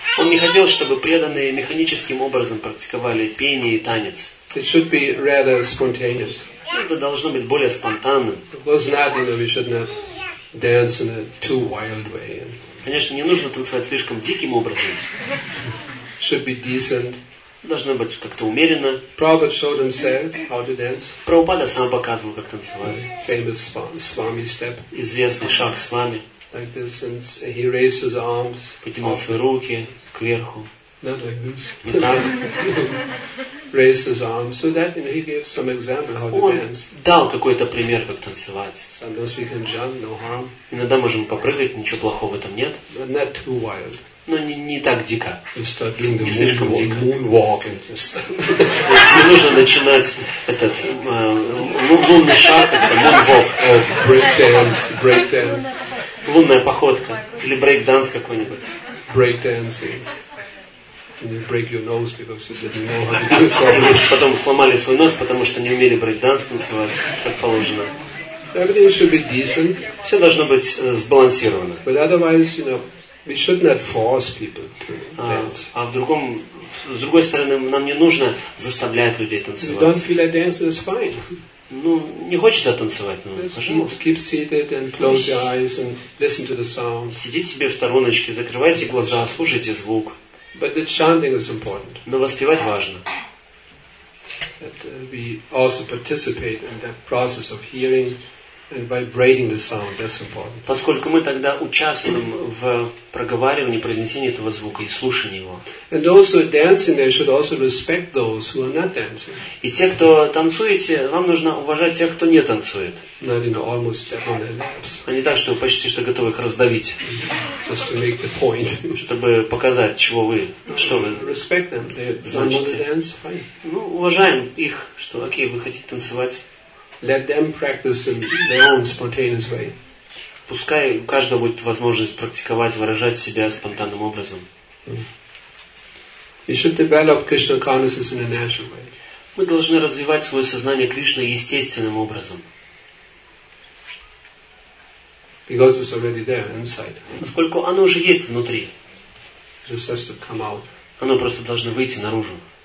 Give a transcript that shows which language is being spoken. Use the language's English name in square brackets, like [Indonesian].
[Russian] Он не хотел, чтобы преданные механическим образом практиковали пение и танец. [English] It should be rather spontaneous. [Russian] Это должно быть более спонтанным. [English] Because not, you know, we should not dance in a too wild way. [Russian] Конечно, не нужно танцевать слишком диким образом. [English] Should be decent. [Russian] Должно быть как-то умеренно. [English] Prabhupada showed himself how to dance. [Russian] Прабхупада сам показывал, как танцевать. [English] Famous Swami step. [Russian] Известный шаг Свами. [English] Like this, and he raised his arms. [Russian] Поднимал свои руки кверху. [English] Not like this. Raised his arms so that, you know, he gave some example how to dance. [Russian] Он дал какой-то пример, как танцевать. [English] Sometimes we can jump, no harm. [Russian] Иногда можем попрыгать, ничего плохого в этом нет. [English] But not too wild. [Russian] Но не так дико. Не слишком дико. [English] Moonwalk and stuff. [Russian] Не нужно начинать этот лунный шаг, это moonwalk. [English] Breakdance. [Russian] Лунная походка или брейкданс какой-нибудь. Брейкдансинг. [English] You break your nose because you didn't know how to do it properly. [Russian] Потом сломали свой нос, потому что не умели брейкданс танцевать, как положено. [English] Everything should be decent. [Russian] Все должно быть сбалансировано. [English] But otherwise, you know, we should not force people to dance. [Russian] А в другом, с другой стороны, нам не нужно заставлять людей танцевать. [English] You don't feel like dancing is fine. [Russian] Ну, не хочется танцевать, ну, пожалуйста. [English] Keep seated and close your eyes and listen to the sound. [Russian] Сидите себе в стороночке, закрывайте глаза, слушайте звук. [English] But the chanting is important. [Russian] Но воспевать важно. [English] That we also participate in that process of hearing and vibrating the sound. That's important. [Russian] Поскольку мы тогда участвуем в проговаривании, произнесении этого звука и слушании его. [English] And also dancing, they should also respect those who are not dancing. [Russian] И те, кто танцуете, вам нужно уважать тех, кто не танцует. [English] Not, you know, almost step on their lips. [Russian] А не так, что вы почти что готовы их раздавить. [English] Just to make the point. [Russian] Чтобы показать, чего вы, что вы. [English] Respect them. They want to dance. Fine. [Russian] Ну, уважаем их, что окей, вы хотите танцевать. [English] Let them practice in their own spontaneous way. [Russian] Пускай у каждого будет возможность практиковать, выражать себя спонтанным образом. [English] We should develop Krishna consciousness in a natural way. [Russian] Мы должны развивать свое сознание Кришны естественным образом. [English] Because it's already there inside. [Russian] Поскольку оно уже есть внутри. [English] It just has to come out. [Russian] Оно просто должно выйти наружу.